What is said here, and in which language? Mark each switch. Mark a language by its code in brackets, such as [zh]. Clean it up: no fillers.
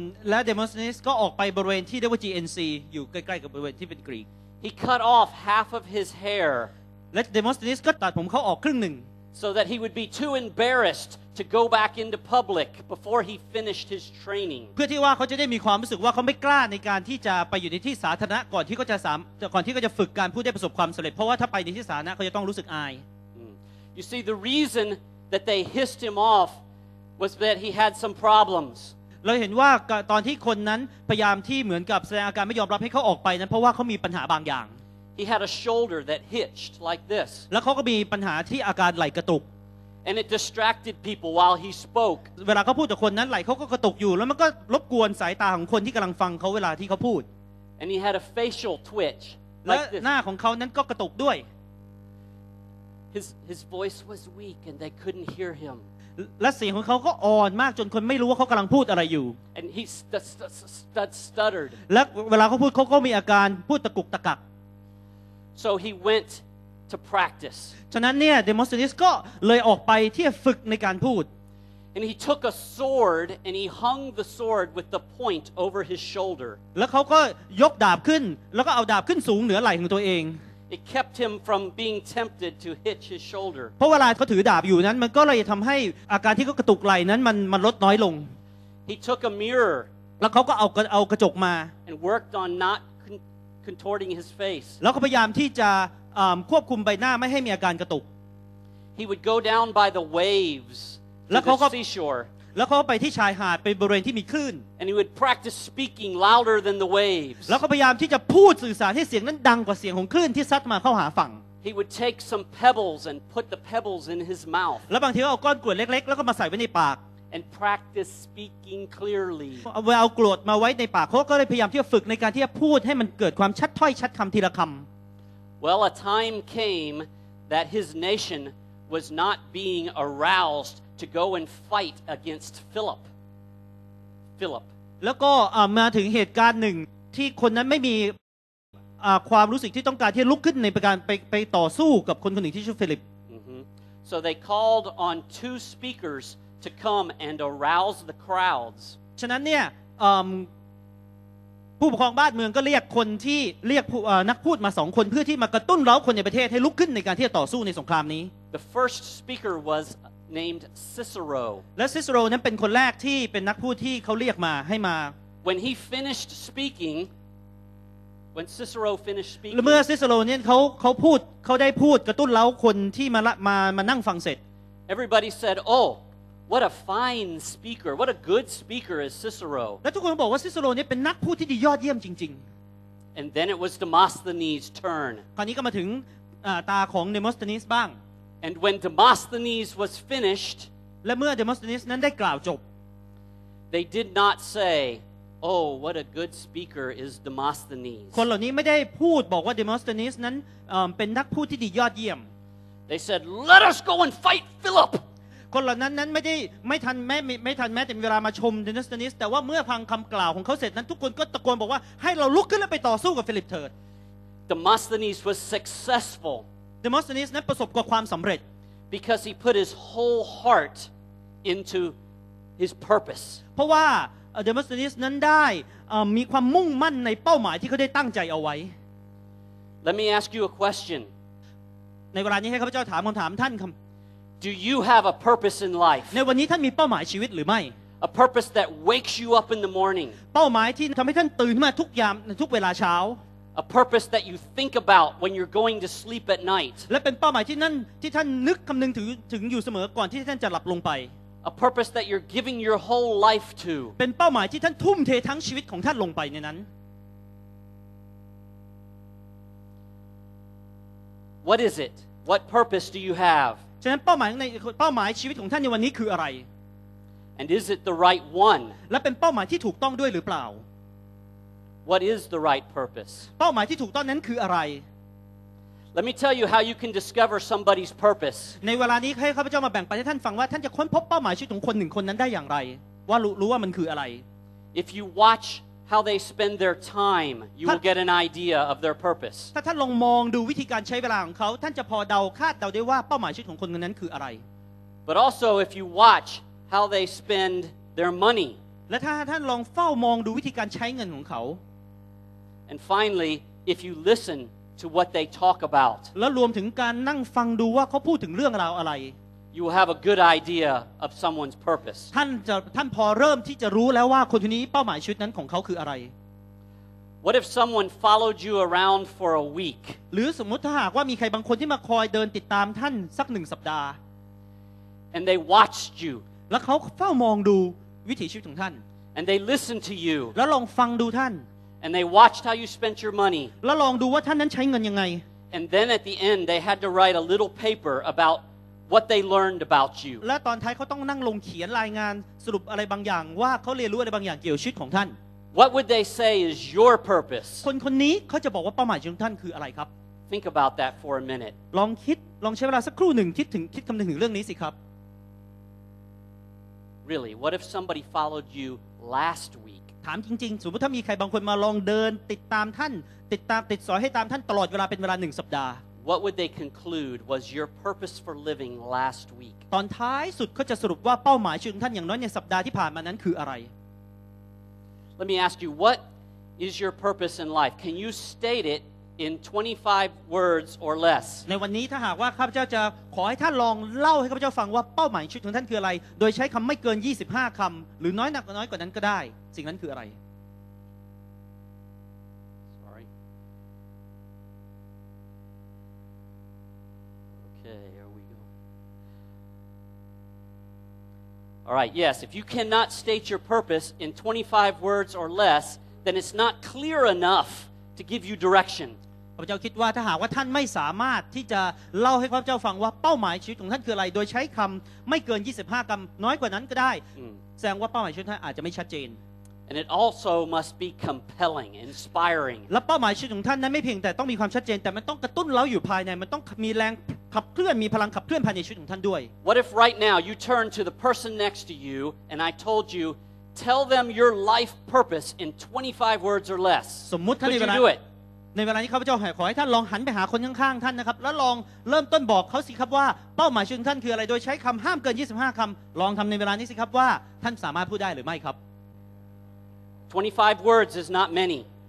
[th] และ Demosthenes ก็ออกไปบริเวณที่เรียกว่า GNC อยู่ใกล้ๆกับบริเวณที่เป็นกรีก [en] He cut off half of his hair. [th] และ Demosthenes ก็ตัดผมเขาออกครึ่งหนึ่ง [en] So that he would be too embarrassed to go back into public before he finished his training. [th] เพื่อที่ว่าเขาจะได้มีความรู้สึกว่าเขาไม่กล้าในการที่จะไปอยู่ในที่สาธารณะก่อนที่เขาจะฝึกการพูดได้ประสบความสำเร็จเพราะว่าถ้าไปในที่สาธารณะเขาจะต้องรู้สึกอาย [en] You see the reason that they hissed him off was that he had some problems. [th] เราเห็นว่าตอนที่คนนั้นพยายามที่เหมือนกับแสดงอาการไม่ยอมรับให้เขาออกไปนั้นเพราะว่าเขามีปัญหาบางอย่าง [en] He had a shoulder that hitched like this. [th] แล้วเขาก็มีปัญหาที่อาการไหล่กระตุก [en] And it distracted people while he spoke. [th] เวลาเขาพูดกับคนนั้นไหล่เขาก็กระตุกอยู่แล้วมันก็รบกวนสายตาของคนที่กำลังฟังเขาเวลาที่เขาพูด [en] And he had a facial twitch. [th] และหน้าของเขานั้นก็กระตุกด้วย [en] His voice was weak and they couldn't hear him. [th] และเสียงของเขาก็อ่อนมากจนคนไม่รู้ว่าเขากำลังพูดอะไรอยู่ [en] And he stuttered. [th] และเวลาเขาพูดเขาก็มีอาการพูดตะกุกตะกัก [en] So he went to practice. [th] ฉะนั้นเนี่ย Demosthenes ก็เลยออกไปที่ฝึกในการพูด [en] And he took a sword and he hung the sword with the point over his shoulder. [th] แล้วเขาก็ยกดาบขึ้นแล้วก็เอาดาบขึ้นสูงเหนือไหล่ของตัวเอง [en] It kept him from being tempted to hitch his shoulder. [th] เพราะเวลาเขาถือดาบอยู่นั้นมันก็เลยทำให้อาการที่เขากระตุกไหล่นั้นมันลดน้อยลง [en] He took a mirror. [th] แล้วเขาก็เอากระจกมา [en] And worked on notcontorting his face [th] แล้วก็พยายามที่จะควบคุมใบหน้าไม่ให้มีอาการกระตุก [en] He would go down by the waves [th] แล้วเขาก็ [en] seashore [th] แล้วเขาไปที่ชายหาดไปบริเวณที่มีคลื่น [en] And he would practice speaking louder than the waves [th] แล้วก็พยายามที่จะพูดสื่อสารให้เสียงนั้นดังกว่าเสียงของคลื่นที่ซัดมาเข้าหาฝั่ง [en] He would take some pebbles and put the pebbles in his mouth [th] แล้วบางทีก็เอาก้อนกรวดเล็กๆแล้วก็มาใส่ไว้ในปาก [en] and practice speaking clearly. [th] เอาโกรธมาไว้ในปากเขาก็เลยพยายามที่จะฝึกในการที่จะพูดให้มันเกิดความชัดถ้อยชัดคำทีละคำ [en] Well, a time came that his nation was not being aroused to go and fight against Philip. [th] แล้วก็มาถึงเหตุการณ์หนึ่งที่คนนั้นไม่มีความรู้สึกที่ต้องการที่ลุกขึ้นในการไปต่อสู้กับคนคนหนึ่งที่ชื่อฟิลิป [en] So they called on two speakers to come and arouse the crowds. [th] ฉะนั้นเนี่ยผู้ปกครองบ้านเมืองก็เรียกคนที่เรียกนักพูดมา2คนเพื่อที่มากระตุ้นเร้าคนในประเทศให้ลุกขึ้นในการที่จะต่อสู้ในสงครามนี้ [en] The first speaker was named Cicero. [th] และซิซิโรนั้นเป็นคนแรกที่เป็นนักพูดที่เขาเรียกมาให้มา [en] When he finished speakingWhen Cicero finished speaking, [th] เมื่อซิซิโรเนี่ยเขาพูดเขาได้พูดกระตุ้นเล้าคนที่มานั่งฟังเสร็จ [en] Everybody said, "Oh, what a fine speaker! What a good speaker is Cicero!" [th] และทุกคนบอกว่าซิซิโรเนี่ยเป็นนักพูดที่ดียอดเยี่ยมจริง [en] ๆ And then it was Demosthenes' turn. [th] คราวนี้ก็มาถึงตาของ Demosthenes บ้าง [en] And when Demosthenes was finished, [th] และเมื่อ Demosthenes นั้นได้กล่าวจบ [en] they did not say. Oh, what a good speaker is Demosthenes. [th] คนเหล่านี้ไม่ได้พูดบอกว่า Demosthenes นั้นเป็นนักพูดที่ดียอดเยี่ยม [en] They said, "Let us go and fight Philip." [th] คนเหล่านั้นไม่ทันแม้แต่มีเวลามาชม Demosthenes แต่ว่าเมื่อฟังคำกล่าวของเขาเสร็จนั้นทุกคนก็ตะโกนบอกว่าให้เราลุกขึ้นแล้วไปต่อสู้กับฟิลิปเถิด [en] Demosthenes was successful. [th] Demosthenes นั้นประสบกับความสำเร็จ [en] because he put his whole heart into his purpose. [th] เพราะว่าDemosthenes นั้นได้มีความมุ่งมั่นในเป้าหมายที่เขาได้ตั้งใจเอาไว้ [en] Let me ask you a question [th] ในเวลานี้ให้ข้าพเจ้าถามคำถามท่านครับ [en] Do you have a purpose in life [th] ในวันนี้ท่านมีเป้าหมายชีวิตหรือไม่ [en] A purpose that wakes you up in the morning [th] เป้าหมายที่ทำให้ท่านตื่นขึ้นมาทุกยามทุกเวลาเช้า [en] A purpose that you think about when you're going to sleep at night [th] และเป็นเป้าหมายที่นั่นที่ท่านนึกคำนึงถึงอยู่เสมอก่อนที่ท่านจะหลับลงไป [en] A purpose that you're giving your whole life to. [th] เป็นเป้าหมายที่ท่านทุ่มเททั้งชีวิตของท่านลงไปในนั้น [en] What is it? What purpose do you have? [th] ฉะนั้นเป้าหมายชีวิตของท่านในวันนี้คืออะไร [en] And is it the right one? [th] และเป็นเป้าหมายที่ถูกต้องด้วยหรือเปล่า [en] What is the right purpose? [th] เป้าหมายที่ถูกต้องนั้นคืออะไร [en] Let me tell you how you can discover somebody's purpose. [th] ในเวลานี้ให้ข้าพเจ้ามาแบ่งปันให้ท่านฟังว่าท่านจะค้นพบเป้าหมายชีวิตของคนหนึ่งคนนั้นได้อย่างไรว่ารู้ว่ามันคืออะไร [en] If you watch how they spend their time, you will get an idea of their purpose. [th] ถ้าท่านลองมองดูวิธีการใช้เวลาของเขาท่านจะพอเดาคาดเดาได้ว่าเป้าหมายชีวิตของคนคนนั้นคืออะไร [en] But also if you watch how they spend their money. [th] และถ้าท่านลองเฝ้ามองดูวิธีการใช้เงินของเขา [en] And finally, if you listento what they talk about [th] แล้วรวมถึงการนั่งฟังดูว่าเขาพูดถึงเรื่องราวอะไร [en] you will have a good idea of someone's purpose [th] ท่านพอเริ่มที่จะรู้แล้วว่าคนคนนี้เป้าหมายชีวิตนั้นของเขาคืออะไร [en] what if someone followed you around for a week [th] หรือสมมติถ้าหากว่ามีใครบางคนที่มาคอยเดินติดตามท่านสัก1สัปดาห์ [en] and they watched you [th] แล้วเขาเฝ้ามองดูวิถีชีวิตของท่าน [en] and they listened to you [th] แล้วลองฟังดูท่าน [en] And they watched how you spent your money. [th] แล้วลองดูว่าท่านนั้นใช้เงินยังไง [en] And then at the end, they had to write a little paper about what they learned about you. [th] และตอนท้ายเขาต้องนั่งลงเขียนรายงานสรุปอะไรบางอย่างว่าเขาเรียนรู้อะไรบางอย่างเกี่ยวชีวิตของท่าน [en] What would they say is your purpose? [th] คนคนนี้เขาจะบอกว่าเป้าหมายของท่านคืออะไรครับ [en] Think about that for a minute. [th] ลองคิดลองใช้เวลาสักครู่หนึ่งคิดคำนึงถึงเรื่องนี้สิครับ [en] Really, what if somebody followed you last week? [th] ถามจริงๆสมมติถ้ามีใครบางคนมาลองเดินติดตามท่านติดสอยให้ตามท่านตลอดเวลาเป็นเวลา1สัปดาห์ [en] What would they conclude was your purpose for living last week [th] ตอนท้ายสุดเขาจะสรุปว่าเป้าหมายชีวิตของท่านอย่างน้อยในสัปดาห์ที่ผ่านมานั้นคืออะไร [en] Let me ask you what is your purpose in life Can you state it in 25 words or less [th] ในวันนี้ถ้าหากว่าข้าพเจ้าจะขอให้ท่านลองเล่าให้ข้าพเจ้าฟังว่าเป้าหมายชีวิตของท่านคืออะไรโดยใช้คำไม่เกิน25คำหรือน้อยหนักน้อยกว่านั้นก็ได้สิ่งนั้นคืออะไร [en] Sorry Okay here we go All right yes if you cannot state your purpose in 25 words or less then it's not clear enough to give you direction [th] เจ้าคิดว่าถ้าหากว่าท่านไม่สามารถที่จะเล่าให้ข้าพเจ้าฟังว่าเป้าหมายชีวิตของท่านคืออะไรโดยใช้คำไม่เกิน25คำน้อยกว่านั้นก็ได้แสดงว่าเป้าหมายชีวิตท่านอาจจะไม่ชัดเจน [en] And it also must be compelling, inspiring. [th] และเป้าหมายชีวิตของท่านนั้นไม่เพียงแต่ต้องมีความชัดเจนแต่มันต้องกระตุ้นเราอยู่ภายในมันต้องมีแรงขับเคลื่อนมีพลังขับเคลื่อนภายในชีวิตของท่านด้วย [en] What if right now you turn to the person next to you and I told youTell them your life purpose in 25 words or less. [th] สมมุติท่านในเวลาในเวลานี้ข้าพเจ้าขอให้ท่านลองหันไปหาคนข้างๆท่านนะครับแล้วลองเริ่มต้นบอกเขาสิครับว่าเป้าหมายชีวิตท่านคืออะไรโดยใช้คำห้ามเกิน25คำลองทำในเวลานี้สิครับว่าท่านสามารถพูดได้หรือไม่ครับ [en] 25 words is not many.